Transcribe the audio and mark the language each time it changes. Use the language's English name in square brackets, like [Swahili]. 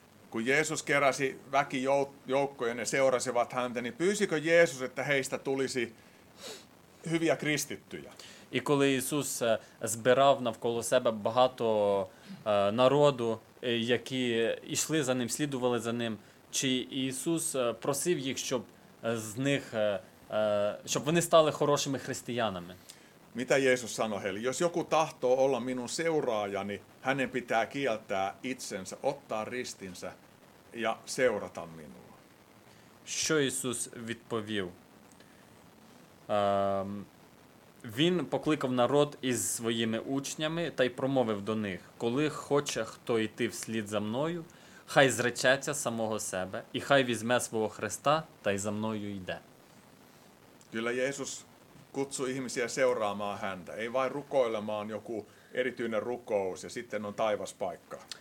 [Finnish] Kun Jeesus keräsi väki joukkoja, ne seurasivat häntä, niin pyysikö Jeesus, että heistä tulisi hyviä kristittyjä? [Ukrainian] І коли Ісус збирав навколо себе багато народу, які йшли за ним, слідували за ним, чи Ісус просив їх, щоб з них щоб вони стали хорошими християнами? [Finnish] Mitä Jeesus sanoi heille? Jos joku tahtoo olla minun seuraajani, hänen pitää kieltää itsensä, ottaa ristinsä ja seurata minua. [Ukrainian] Що Ісус відповів? Він покликав народ із своїми учнями та й промовив до них: коли хоче хто йти вслід за мною, хай зречеться самого себе і хай візьме свого хреста та й за мною йде. [Finnish] Kyllä Jeesus kutsui ihmisiä seuraamaan häntä, ei vain rukoilemaan joku erityinen rukous ja sitten on taivas paikka.